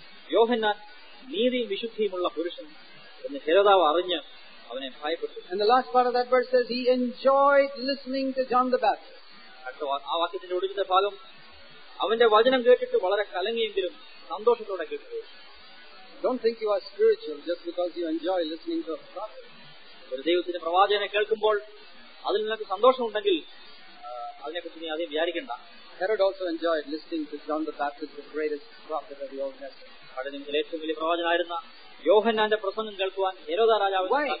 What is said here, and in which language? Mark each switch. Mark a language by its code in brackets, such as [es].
[ml] യോഹന്നാൻ നീതിയും വിശുദ്ധിയുമുള്ള പുരുഷൻ എന്ന് ഹെരോദാവ് അറിഞ്ഞ് അവനെ ഭയപ്പെട്ടു. [en] And the last part of that verse says he enjoyed listening to John the Baptist. [ml] ആ വാക്യത്തിന്റെ ഒടുവിലത്തെ ഭാഗം അവന്റെ വചനം കേട്ടിട്ട് വളരെ കലങ്ങിയെങ്കിലും സന്തോഷത്തോടെ കേട്ടു. [en] Don't think you are spiritual just because you enjoy listening to a prophet. [ml] ഒരു ദൈവത്തിന്റെ പ്രവാചകനെ കേൾക്കുമ്പോൾ അതിൽ നിനക്ക് സന്തോഷമുണ്ടെങ്കിൽ അതിനെക്കുറിച്ച് നീ അധികം വിചാരിക്കണ്ട. [en] Herod also enjoyed listening to John the Baptist, the greatest prophet of the Old Testament. [ml] ഏറ്റവും വലിയ പ്രവാചകനായിരുന്ന യോഹന്നാന്റെ പ്രസംഗം കേൾക്കുവാൻ ഹെരോദാ രാജാവിന്